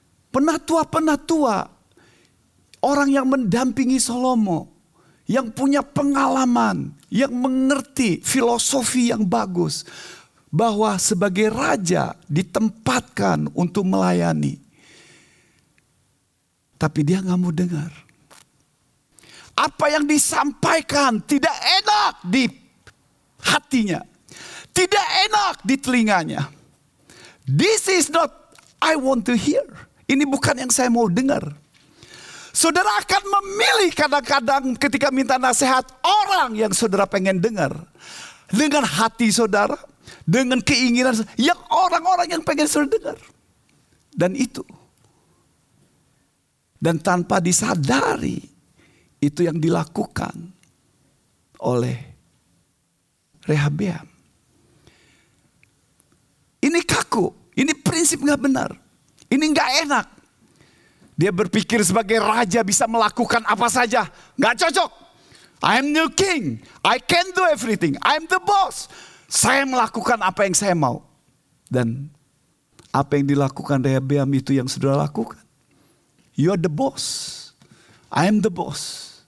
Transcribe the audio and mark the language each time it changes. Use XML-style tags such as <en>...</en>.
<id>Penatua-penatua, orang yang mendampingi Salomo, yang punya pengalaman, yang mengerti filosofi yang bagus, bahwa sebagai raja ditempatkan untuk melayani. Tapi dia gak mau dengar. Apa yang disampaikan tidak enak di hatinya. Tidak enak di telinganya.</id> <en>This is not I want to hear.</en> <id>Ini bukan yang saya mau dengar. Saudara akan memilih kadang-kadang ketika minta nasihat orang yang saudara pengen dengar. Dengan hati saudara. Dengan keinginan yang orang-orang yang pengen saudara dengar. Dan itu. Dan tanpa disadari. Itu yang dilakukan oleh Rehabeam. Ini kaku. Ini prinsip gak benar. Ini gak enak. Dia berpikir sebagai raja bisa melakukan apa saja. Gak cocok.</id> <en>I am new king. I can do everything. I am the boss.</en> <id>saya melakukan apa yang saya mau. Dan apa yang dilakukan Rehabeam itu yang saudara lakukan.</id> <en>You are the boss. I am the boss.</en>